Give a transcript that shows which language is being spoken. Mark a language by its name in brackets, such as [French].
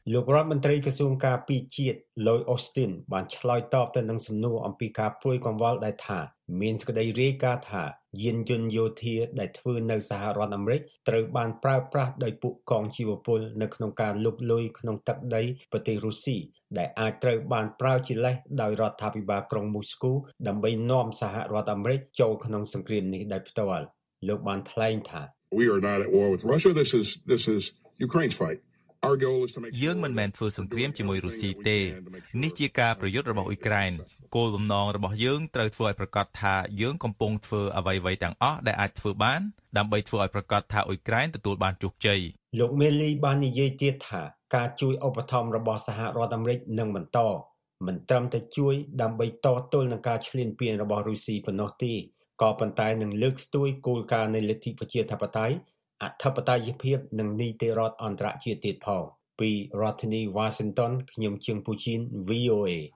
[Khmer] លោករដ្ឋមន្ត្រីក្រសួងការពារជាតិលោកអូស្ទីនបានឆ្លើយតបទៅនឹងសំណួរអំពីការព្រួយកង្វល់ដែលថាមានសេចក្តីរាយការណ៍ថាយានយន្តយោធាដែលធ្វើនៅសហរដ្ឋអាមេរិកត្រូវបានប្រើប្រាស់ដោយពួកកងជីវពលនៅក្នុងការលុកលុយក្នុងទឹកដីប្រទេសរុស្ស៊ីដែលអាចត្រូវបានប្រើជាលេសដោយរដ្ឋាភិបាលក្រុងមូស្គូដើម្បីនាំសហរដ្ឋអាមេរិកចូលក្នុងសង្គ្រាមនេះដោយផ្ទាល់លោកបានថ្លែងថា [English] We are not at war with Russia this is Ukraine's fight Our goal is to make [Khmer] យើងមិនមែនធ្វើសង្គ្រាមជាមួយរុស្ស៊ីទេនេះជាការប្រយុទ្ធរបស់អ៊ុយក្រែនគោលបំណងរបស់យើងត្រូវធ្វើឲ្យប្រកាសថាយើងកំពុងធ្វើអ្វីៗទាំងអស់ដែលអាចធ្វើបានដើម្បីធ្វើឲ្យប្រកាសថាអ៊ុយក្រែនទទួលបានជោគជ័យ លោកមេលីបាននិយាយទៀតថាការជួយឧបត្ថម្ភរបស់សហរដ្ឋអាមេរិកនឹងបន្តមិនត្រឹមតែជួយដើម្បីតទល់នឹងការឈ្លានពានរបស់រុស្ស៊ីប៉ុណ្ណោះទេក៏ប៉ុន្តែនឹងលើកស្ទួយគោលការណ៍នៃលទ្ធិប្រជាធិបតេយ្យអធិបតេយ្យភាពនិងនីតិរដ្ឋអន្តរជាតិទៀតផងពីរដ្ឋធានី Washington ខ្ញុំជឹងពូជីន VOA